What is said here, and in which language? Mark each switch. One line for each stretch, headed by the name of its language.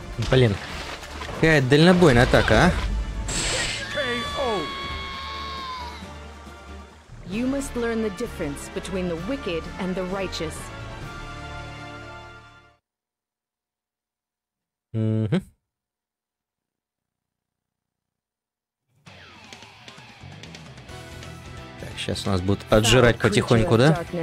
Russian: Блин, какая дальнобойная атака, а?
English: You must learn the difference between the wicked and the righteous.
Russian: Так, сейчас у нас будут отжирать потихоньку, да?